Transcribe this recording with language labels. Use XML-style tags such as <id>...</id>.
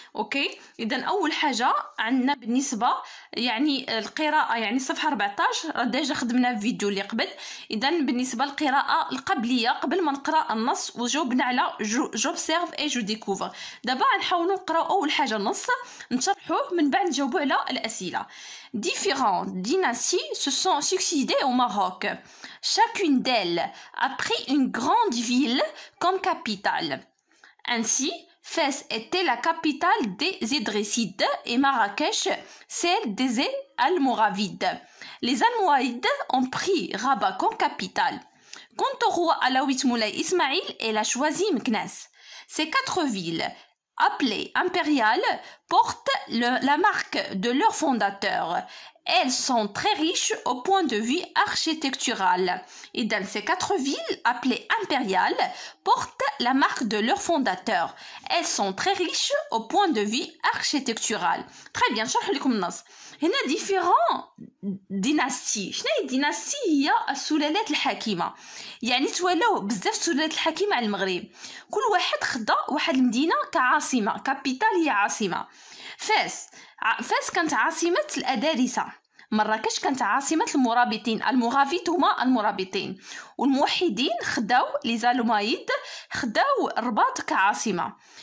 <ar>اوكي اذا اول حاجه عندنا بالنسبه يعني القراءه يعني صفحه 14 راه ديجا خدمنا في الفيديو اللي قبل. اذا بالنسبه للقراءه القبليه قبل ما نقرا النص وجاوبنا على</ar> <fr>جوبسيرف اي جو ديكوفر.</fr> <ar>دابا نحاولوا نقراو اول حاجه النص نشرحوه من بعد نجاوبوا على الاسئله.</ar> <fr>Différentes dynasties se sont succédées au Maroc. Chacune d'elles a pris une grande ville comme capitale. Ainsi, Fès était la capitale des Idrissides et Marrakech, celle des Almoravides. Les Almoravides ont pris Rabat comme capitale. Quant au roi Alaouit Moulay Ismaïl, il a choisi Meknès. Ces quatre villes, appelées impériales, portent la marque de leur fondateur. Elles sont très riches au point de vue architectural. Et dans ces quatre villes appelées impériales, portent la marque de leur fondateur. Elles sont très riches au point de vue architectural. Très bien, je vous remercie. Il y a différentes dynasties. Quelle est la dynastie qui est sous la lettre Hakima?</fr> <ar>يعني تولوا بزاف سلالات الحاكمه على المغرب. كل واحد خدا واحد المدينه كعاصمه كابيتال هي عاصمه. فاس كانت عاصمه الادارسه. مراكش كانت عاصمه المرابطين المغافيت هما المرابطين. والموحدين خداو لي زالومايد خداو الرباط كعاصمه.</ar>